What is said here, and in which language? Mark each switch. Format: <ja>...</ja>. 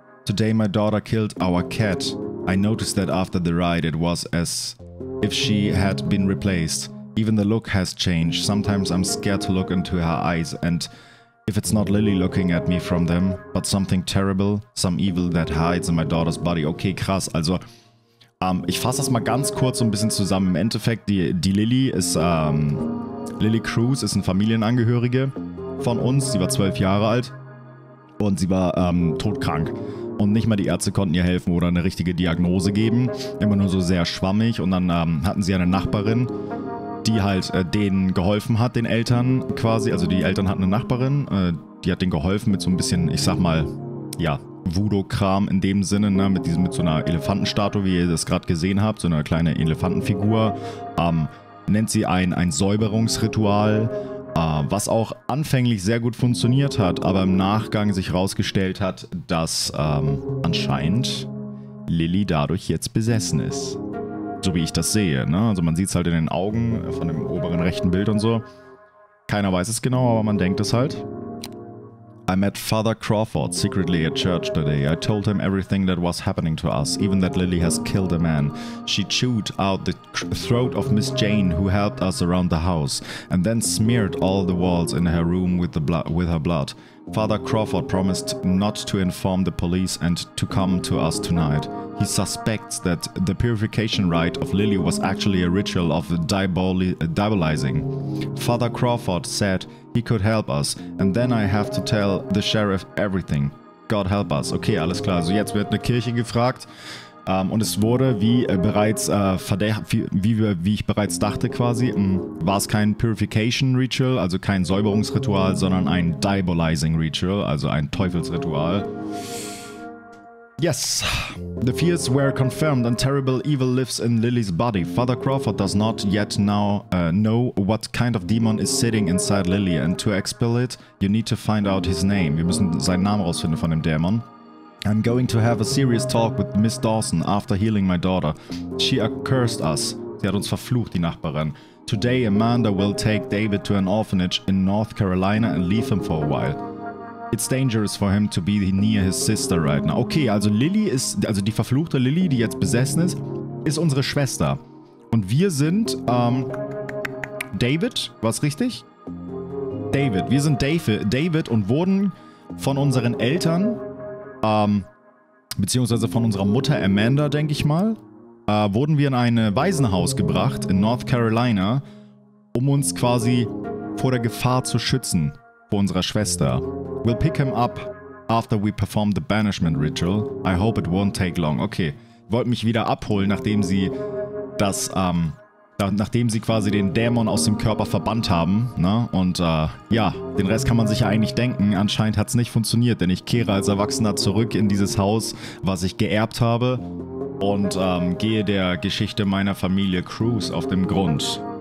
<en>Today my daughter killed our cat. I noticed that after the ride it was as if she had been replaced. Even the look has changed. Sometimes I'm scared to look into her eyes and if it's not Lily looking at me from them, but something terrible, some evil that hides in my daughter's body.</en> <de>Okay, krass. Also, ich fasse das mal ganz kurz so ein bisschen zusammen. Im Endeffekt, Lily Cruz ist eine Familienangehörige von uns. Sie war 12 Jahre alt und sie war todkrank. Und nicht mal die Ärzte konnten ihr helfen oder eine richtige Diagnose geben. Immer nur so sehr schwammig. Und dann hatten sie eine Nachbarin, die halt denen geholfen hat, den Eltern quasi. Also die Eltern hatten eine Nachbarin, die hat denen geholfen mit so ein bisschen, ich sag mal, ja, Voodoo-Kram in dem Sinne, ne? Mit so einer Elefantenstatue, wie ihr das gerade gesehen habt, so eine kleine Elefantenfigur. Nennt sie ein Säuberungsritual, was auch anfänglich sehr gut funktioniert hat, aber im Nachgang sich rausgestellt hat, dass anscheinend Lily dadurch jetzt besessen ist. So wie ich das sehe, ne? Also man sieht es halt in den Augen von dem oberen rechten Bild und so. Keiner weiß es genau, aber man denkt es halt.</de> <en>I met Father Crawford secretly at church today. I told him everything that was happening to us, even that Lily has killed a man. She chewed out the throat of Miss Jane, who helped us around the house, and then smeared all the walls in her room with her blood. Father Crawford promised not to inform the police and to come to us tonight. He suspects that the purification rite of Lily was actually a ritual of diabolizing. Father Crawford said he could help us, and then I have to tell the sheriff everything. God help us.</en> <de>Okay, alles klar. Also jetzt wird eine Kirche gefragt. Und es wurde, war es kein Purification Ritual, also kein Säuberungsritual, sondern ein Diabolizing Ritual, also ein Teufelsritual.</de> <en>Yes. The fears were confirmed and terrible evil lives in Lily's body. Father Crawford does not yet now know what kind of demon is sitting inside Lily, and to expel it, you need to find out his name.</en> <de>Wir müssen seinen Namen rausfinden von dem Dämon.</de> <en>I'm going to have a serious talk with Miss Dawson after healing my daughter. She accursed us.</en> <de>Sie hat uns verflucht, die Nachbarin.</de> <en>Today, Amanda will take David to an orphanage in North Carolina and leave him for a while. It's dangerous for him to be near his sister right now.</en> <de>Okay, also Lily ist, also die verfluchte Lily, die jetzt besessen ist, ist unsere Schwester. Und wir sind, David, war es richtig? David, wir sind David und wurden von unseren Eltern, beziehungsweise von unserer Mutter Amanda, denke ich mal, wurden wir in ein Waisenhaus gebracht in North Carolina, um uns quasi vor der Gefahr zu schützen, vor unserer Schwester.</de> <en>We'll pick him up after we perform the banishment ritual. I hope it won't take long.</en> <de>Okay, wollt mich wieder abholen, nachdem sie das, nachdem sie quasi den Dämon aus dem Körper verbannt haben, ne? Und ja, den Rest kann man sich ja eigentlich denken. Anscheinend hat es nicht funktioniert, denn ich kehre als Erwachsener zurück in dieses Haus, was ich geerbt habe, und gehe der Geschichte meiner Familie Cruz auf dem Grund.</de>